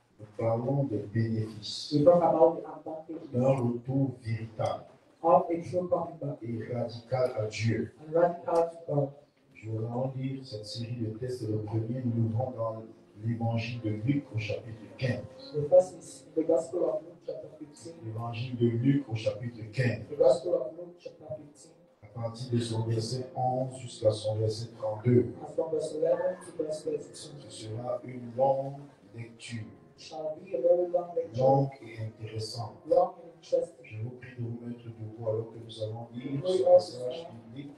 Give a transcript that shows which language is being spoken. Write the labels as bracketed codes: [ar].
[fr] Nous parlons des bénéfices. [en] We talk about the advantages. [fr] D'un retour véritable. [en] Of a true coming back. [fr] Et radical à Dieu. [en] And radical to God. [fr] Je vais en lire cette série de textes. Le premier, nous le voyons dans l'évangile de Luc au chapitre 15. [en] The first is the Gospel of Luke, chapter 15. [fr] L'évangile de Luc au chapitre 15. [en] The Gospel of Luke, chapter 15. [fr] À partir de son verset 11 jusqu'à son verset 32. [en] And from verse 11 to verse 32. [fr] Ce sera une longue lecture. [en] Shall be a very long lecture. [fr] Longue et intéressante. [en] Long and interesting. [fr] Je vous prie de vous mettre debout alors que nous allons lire ce passage biblique.